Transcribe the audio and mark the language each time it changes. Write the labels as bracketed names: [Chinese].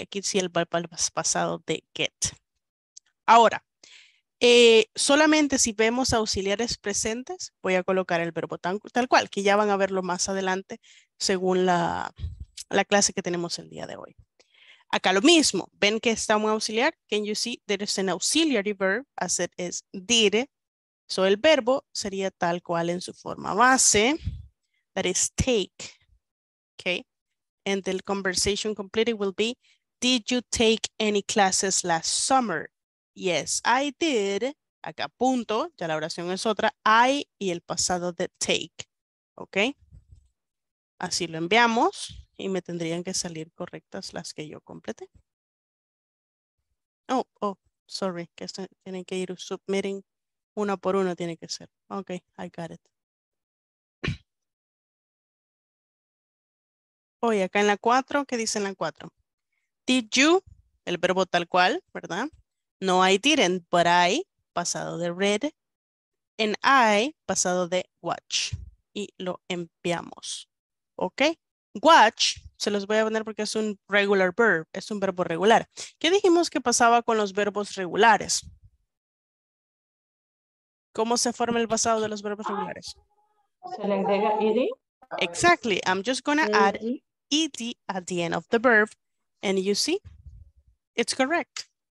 [Spanish] Aquí sí el verbo pasado de get. Ahora, solamente si vemos auxiliares presentes, voy a colocar el verbo tal cual, que ya van a verlo más adelante según la clase que tenemos el día de hoy. Acá lo mismo, ven que está un auxiliar. [English] Can you see there is an auxiliary verb as it is did? [Spanish] So el verbo sería tal cual en su forma base, [English] that is take. Okay. And the conversation completed will be, did you take any classes last summer? Yes, I did. [Spanish] Acá punto, ya la oración es otra, I y el pasado de take. ¿Ok? Así lo enviamos y me tendrían que salir correctas las que yo complete. [English] Oh, oh, sorry, [Spanish] que tienen que ir submitting una por una, tiene que ser. [English] Ok, I got it. [Spanish] Oye, acá en la 4, ¿qué dice en la 4? [English] Did you, [Spanish] el verbo tal cual, ¿verdad? [English] No, I didn't, but I, [Spanish] pasado de [English] read, and I, pasado de watch. [Spanish] Y lo enviamos, ¿ok? Watch, se los voy a poner porque es un [English] regular verb, [Spanish] es un verbo regular. ¿Qué dijimos que pasaba con los verbos regulares? ¿Cómo se forma el pasado de los verbos regulares? Se le agrega ed. [English] Exactly, I'm just gonna add ed at the end of the verb, and you see, it's correct.